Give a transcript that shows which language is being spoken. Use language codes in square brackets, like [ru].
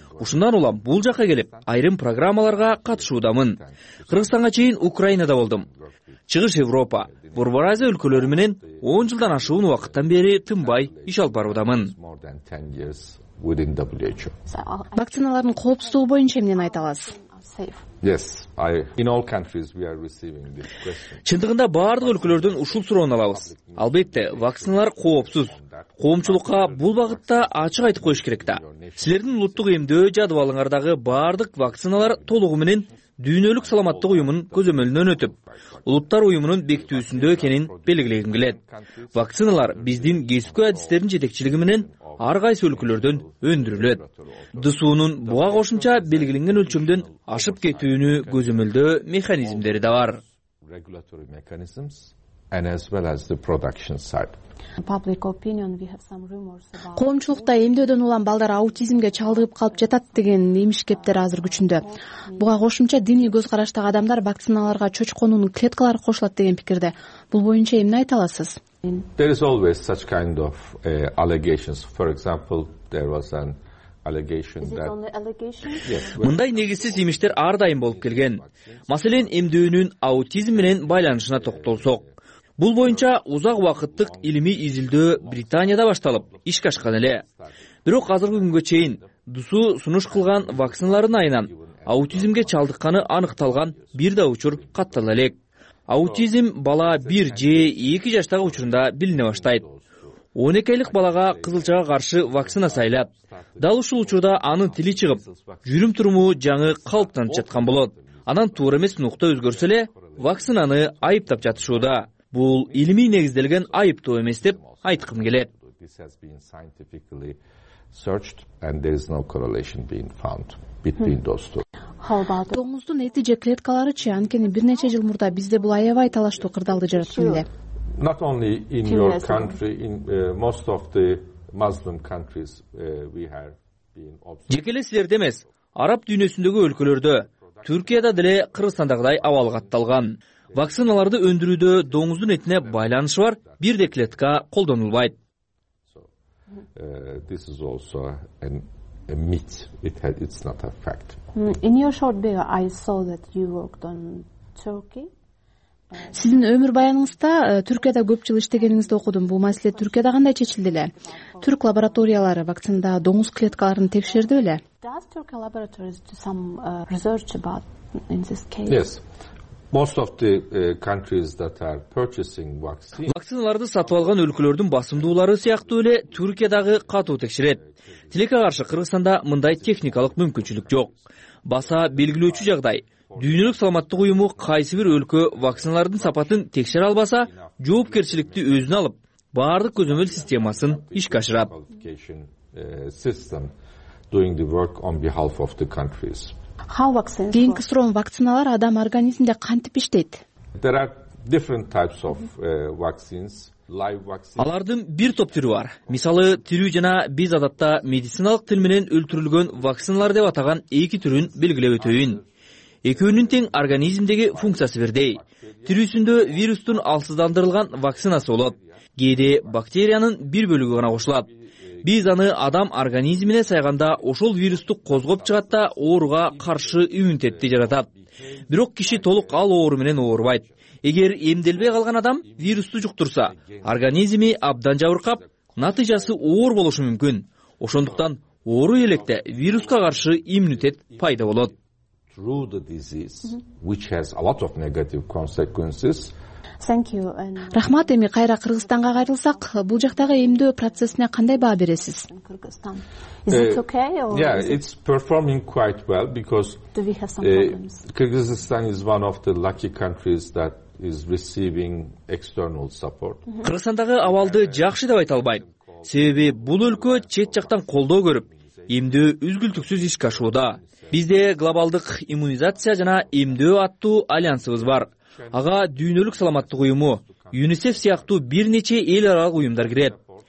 [ky] Ушундан улам бул жака келип, айрым программаларга катышуудамын. Кыргызстанга чейин Украинада болдум. Чыгыш Европа, Борбор Азия өлкөлөрү менен 10 жылдан ашуун убакыттан бери тынбай иш алып баруудамын. Вакциналардын коопсуздугу боюнча эмнени айта аласыз? [en] In all countries we are receiving this question. [ky] Чындыгында баардык өлкөлөрдөн ушул суроону алабыз. Албетте, вакциналар коопсуз. Коомчулукка бул багытта ачык айтып коюш керек да. Силердин улуттук эмдөө жадыбалыңардагы баардык вакциналар толугу менен дүйнөлүк саламаттык уюмунун көзөмөлүнөн өтүп, улуттар уюмунун бекитүүсүндө экенин белгилегим келет. Вакциналар биздин кесипкөй адистердин жетекчилиги менен ар кайсы өлкөлөрдөн өндүрүлөт. ДСУнун буга кошумча белгиленген өлчөмдөн ашып кетүүнү көзөмөлдөө механизмдери да бар. Коомчулукта эмдөөдөн улам балдар аутизмге чалдыгып калып жатат деген имишкептер азыр күчүндө. Буга кошумча диний көз караштагы адамдар вакциналарга чочконун клеткалары кошулат деген пикирде. Бул боюнча эмне айта аласыз? [en] There is always such kind of allegations. For example, there was an allegation that... Is it only allegations? [ky] Мындай негизсиз имиштер ар дайым болуп келген. Маселен, эмдөөнүн аутизм менен байланышына токтолсок. Бул боюнча узак убакыттык илимий изилдөө Британияда башталып, ишке ашкан эле. Бирок азыркы күнгө чейин ДСУ сунуш кылган вакциналардын айынан аутизмге чалдыкканы аныкталган бир да учур каттала элек. Аутизм бала 1 же 2 жаштагы учурунда билине баштайт. 12 айлык балага кызылчага каршы вакцина сайылат. Дал ушул учурда анын тили чыгып, жүрүм туруму жаңы калыптанып жаткан болот. Анан туура эмес нукта өзгөрсө эле вакцинаны айыптап жатышууда. Бул илимий негизделген айыптоо эмес деп айткым келет. [en] This has been scientifically searched and there is no correlation being found between those two. How about [ky] доңуздун эти же клеткаларычы, анткени бир нече жыл мурда бизде бул аябай талаштуу кырдаалды жараткан эле. [en] Not only in your country, in most of the Muslim countries we have been observed. [ky] Жеке эле силерде эмес, араб дүйнөсүндөгү өлкөлөрдө, Түркияда деле Кыргызстандагыдай абал катталган. Вакциналарды өндүрүүдө доңуздун этине байланышы бар бир да клетка колдонулбайт. [en] This is also a myth. It's not a fact. In your short bio, I saw that you worked on Turkey. [ky] Сиздин өмүр баяныңызда Түркияда көп жыл иштегениңизди окудум. Бул маселе Түркияда кандай чечилди эле? Түрк лабораториялары вакцинада доңуз клеткаларын текшерди беле? [en] Does Turkey laboratories do some research about in this case? Yes. Most of the countries that are purchasing vaccine. [ky] Вакциналарды сатып алган өлкөлөрдүн басымдуулары сыяктуу эле Түркиядагы катуу текшерет. Тилекке каршы Кыргызстанда мындай техникалык мүмкүнчүлүк жок. Баса белгилөөчү жагдай, дүйнөлүк саламаттык уюму кайсы бир өлкө вакциналардын сапатын текшере албаса, жоопкерчиликти өзүнө алып, баардык көзөмөл системасын ишке ашырат. [en] System doing the work on behalf of the countries. [ky] Кийинки суроом вакциналар адам организминде кантип иштейт? [en] There are different types of vaccines. Live vaccines. [ky] Алардын бир топ түрү бар. Мисалы, тирүү жана биз адатта медициналык тил менен өлтүрүлгөн вакциналар деп атаган эки түрүн белгилеп өтөйүн. Экөөнүн тең организмдеги функциясы бирдей. Тирүүсүндө вирустун алсыздандырылган вакцинасы болот. Кээде бактериянын бир бөлүгү гана кошулат. Биз аны адам организмине сайганда ошол вирусту козгоп чыгат да ооруга каршы иммунитетти жаратат. Бирок киши толук ал оору менен оорубайт. Эгер эмделбей калган адам вирусту жуктурса, организми абдан жабыркап, натыйжасы оор болушу мүмкүн. Ошондуктан оору электе вируска каршы иммунитет пайда болот. [en] Through the disease, which has a lot of negative consequences, [ky] Рахмат, эми кайра Кыргызстанга кайрылсак, бул жактагы эмдөө процессине кандай баа бересиз? [en] It's performing quite well because we have some problems. Kyrgyzstan is one of the lucky countries that is receiving external support. [ky] Кыргызстандагы абалды жакшы деп айта албайм. Себеби бул өлкө чет жактан колдоо көрүп, эмдөө үзгүлтүксүз ишке ашууда. Бизде глобалдык иммунизация жана эмдөө аттуу альянсыбыз бар. Ага дүйнөлүк саламаттык уюму, ЮНИСЕФ сыяктуу бир нече эл аралык уюмдар кирет.